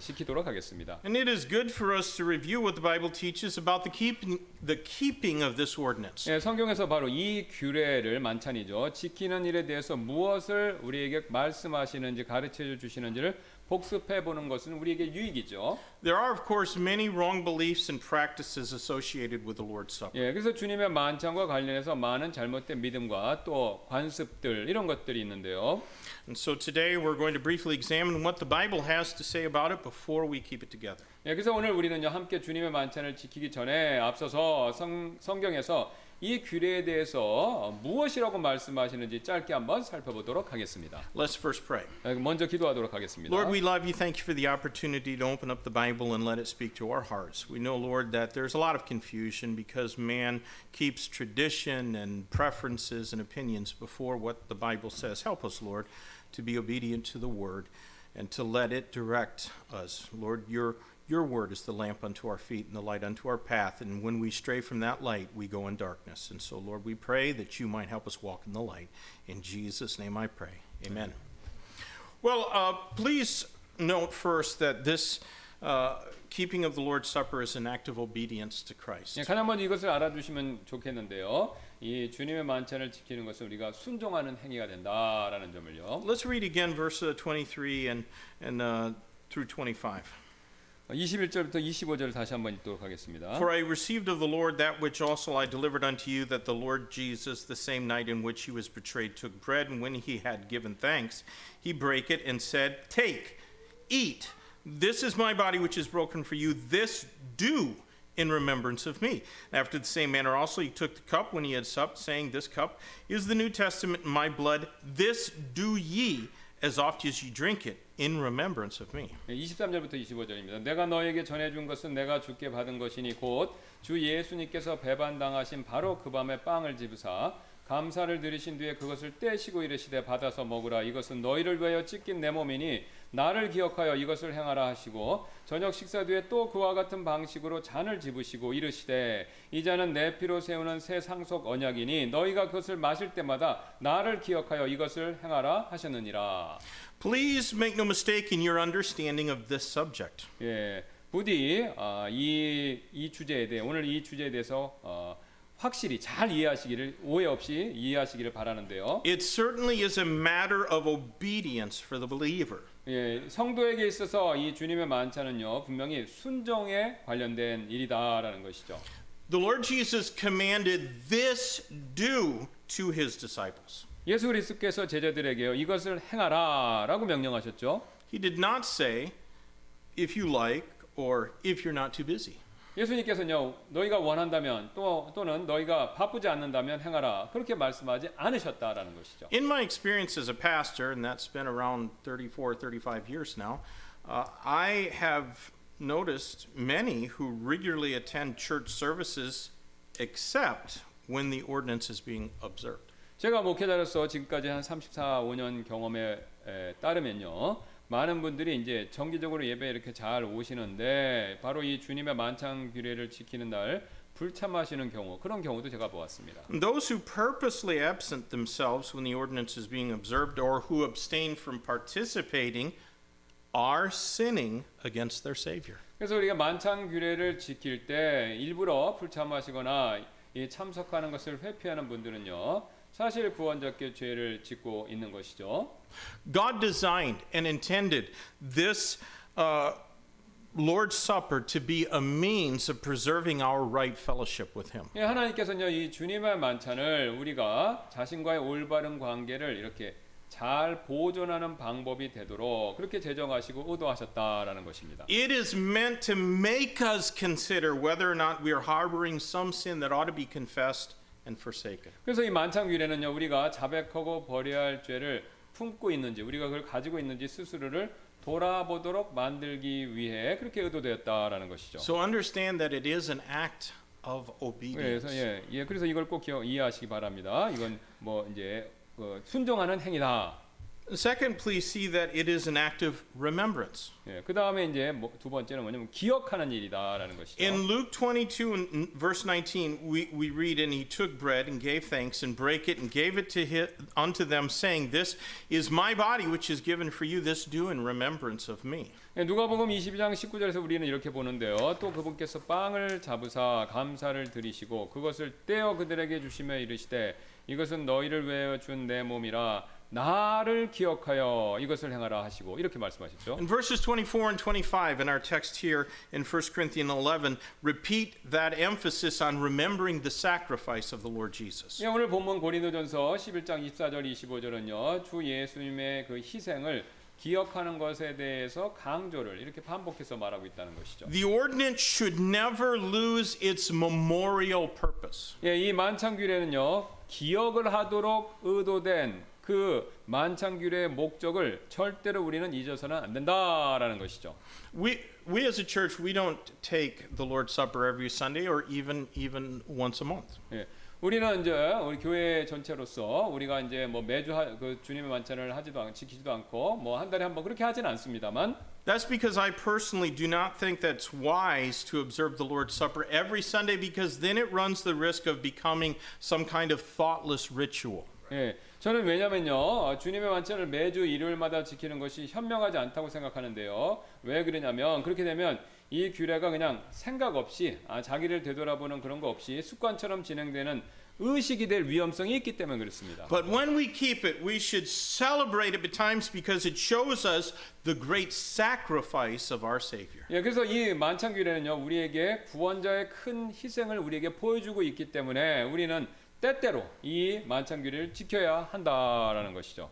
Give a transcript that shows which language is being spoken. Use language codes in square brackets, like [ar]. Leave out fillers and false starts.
[ko] 지키도록 하겠습니다. [en] And it is good for us to review what the Bible teaches about the keeping of this ordinance. [ko] 예, 성경에서 바로 이 규례를 만찬이죠. 지키는 일에 대해서 무엇을 우리에게 말씀하시는지 가르쳐 주시는지를 복습해 보는 것은 우리에게 유익이죠. [en] There are of course many wrong beliefs and practices associated with the Lord's Supper. [ko] 예, 그래서 주님의 만찬과 관련해서 많은 잘못된 믿음과 또 관습들 이런 것들이 있는데요. [en] And so today we're going to briefly examine what the Bible has to say about it before we keep it together. [ko] 예, 그래서 오늘 우리는요 함께 주님의 만찬을 지키기 전에 앞서서 성경에서 이 규례에 대해서 무엇이라고 말씀하시는지 짧게 한번 살펴보도록 하겠습니다. [en] Let's first pray. [ko] 먼저 기도하도록 하겠습니다. [en] Lord, we love you. Thank you for the opportunity to open up the Bible and let it speak to our hearts. We know, Lord, that there's a lot of confusion because man keeps tradition and preferences and opinions before what the Bible says. Help us, Lord, to be obedient to the word and to let it direct us. Lord, Your word is the lamp unto our feet and the light unto our path. And when we stray from that light, we go in darkness. And so, Lord, we pray that you might help us walk in the light. In Jesus' name I pray. Amen. Well, please note first that this keeping of the Lord's Supper is an act of obedience to Christ. [ko] 예, 가장 먼저 이것을 알아주시면 좋겠는데요. 이 주님의 만찬을 지키는 것은 우리가 순종하는 행위가 된다라는 점을요. [en] Let's read again verse 23 and through 25. [ko] 21절부터 25절을 다시 한번 읽도록 하겠습니다. [en] For I received of the Lord that which also I delivered unto you, that the Lord Jesus, the same night in which he was betrayed, took bread, and when he had given thanks, he brake it and said, Take, eat, this is my body which is broken for you, this do in remembrance of me. And after the same manner also he took the cup when he had supped, saying, This cup is the New Testament in my blood, this do ye, as oft as you drink it, in remembrance of me. [ko] 23절부터 25절입니다. 내가 너에게 전해준 것은 내가 주께 받은 것이니 곧 주 예수님께서 배반당하신 바로 그 밤에 빵을 집으사 감사를 드리신 뒤에 그것을 떼시고 이르시되 받아서 먹으라 이것은 너희를 위하여 찢긴 내 몸이니 나를 기억하여 이것을 행하라 하시고 저녁 식사 뒤에 또 그와 같은 방식으로 잔을 집으시고 이르시되 이 잔은 내 피로 세우는 새 상속 언약이니 너희가 그것을 마실 때마다 나를 기억하여 이것을 행하라 하셨느니라 [en] Please make no mistake in your understanding of this subject. [ko] 예, 부디 이 주제에 대해 오늘 이 주제에 대해서 확실히 잘 이해하시기를 오해 없이 이해하시기를 바라는데요. [en] It certainly is a matter of obedience for the believer. [ko] 예, 성도에게 있어서 이 주님의 만찬은요 분명히 순종에 관련된 일이다라는 것이죠. [en] The Lord Jesus commanded this do to his disciples. [ko] 예수 그리스도께서 제자들에게요 이것을 행하라라고 명령하셨죠. [en] He did not say if you like or if you're not too busy. [ko] 예수님께서는요 너희가 원한다면 또는 너희가 바쁘지 않는다면 행하라 그렇게 말씀하지 않으셨다라는 것이죠. [en] In my experience as a pastor, and that's been around 34, 35 years now, I have noticed many who regularly attend church services except when the ordinance is being observed. [ko] 제가 목회자로서 지금까지 한 34~35년 경험에 따르면요, 많은 분들이 이제 정기적으로 예배 이렇게 잘 오시는데 바로 이 주님의 만찬 규례를 지키는 날 불참하시는 경우 그런 경우도 제가 보았습니다. [en] Those who purposely absent themselves when the ordinance is being observed or who abstain from participating are sinning against their Savior. [ko] 그래서 우리가 만찬 규례를 지킬 때 일부러 불참하시거나 참석하는 것을 회피하는 분들은요. 사실 구원자께 죄를 짓고 있는 것이죠. [en] God designed and intended this Lord's Supper to be a means of preserving our right fellowship with Him. [ko] 예, 하나님께서는요, 이 주님의 만찬을 우리가 자신과의 올바른 관계를 이렇게 잘 보존하는 방법이 되도록 그렇게 제정하시고 의도하셨다라는 것입니다. [en] It is meant to make us consider whether or not we are harboring some sin that ought to be confessed and forsaken. [ko] 그래서 이 만찬 규례는요, 우리가 자백하고 버려야 할 죄를 품고 있는지, 우리가 그걸 가지고 있는지 스스로를 돌아보도록 만들기 위해 그렇게 의도되었다라는 것이죠. [en] So understand that it is an act of obedience. [ko] 그래서 예, 예, 그래서 이걸 꼭 이해하시기 바랍니다. 이건 뭐 이제 순종하는 행위다. [en] Second, please see that it is an act of remembrance. [ko] 예, 그 다음에 이제 뭐, 두 번째는 뭐냐면 기억하는 일이다라는 것이죠. [en] In Luke 22, verse 19, we read, and he took bread and gave thanks and broke it and gave it to unto them, saying, "This is my body, which is given for you. This do in remembrance of me." [ko] 예, 누가복음 22장 19절에서 우리는 이렇게 보는데요. 또 그분께서 빵을 잡으사 감사를 드리시고 그것을 떼어 그들에게 주시며 이르시되 이것은 너희를 위하여 준 내 몸이라 나를 기억하여 이것을 행하라 하시고 이렇게 말씀하셨죠. [en] In verses 24 and 25 in our text here in 1 Corinthians 11 repeat that emphasis on remembering the sacrifice of the Lord Jesus. [ko] 예, 오늘 본문 고린도전서 11장 24절 25절은요. 주 예수님의 그 희생을 기억하는 것에 대해서 강조를 이렇게 반복해서 말하고 있다는 것이죠. [en] The ordinance should never lose its memorial purpose. [ko] 예, 이 만찬 규례는요. 기억을 하도록 의도된 그 만찬 규례의 목적을 절대로 우리는 잊어서는 안 된다라는 것이죠. [en] We as a church we don't take the Lord's Supper every Sunday or even once a month. [ko] 예. 우리는 이제 우리 교회 전체로서 우리가 이제 뭐 매주 그 주님의 만찬을 하지도 않고 지키지도 않고 뭐 한 달에 한 번 그렇게 하진 않습니다만 [en] That's because I personally do not think that's wise to observe the Lord's Supper every Sunday because then it runs the risk of becoming some kind of thoughtless ritual. [ko] 예. 저는 왜냐면요. 주님의 만찬을 매주 일요일마다 지키는 것이 현명하지 않다고 생각하는데요. 왜 그러냐면 그렇게 되면 이 규례가 그냥 생각 없이 아 자기를 되돌아보는 그런 거 없이 습관처럼 진행되는 의식이 될 위험성이 있기 때문에 그렇습니다. [en] But when we keep it, we should celebrate it betimes because it shows us the great sacrifice of our Savior. [ko] 예, 그래서 이 만찬 규례는요, 우리에게 구원자의 큰 희생을 우리에게 보여주고 있기 때문에 우리는 때때로 이 만찬 규례를 지켜야 한다라는 것이죠.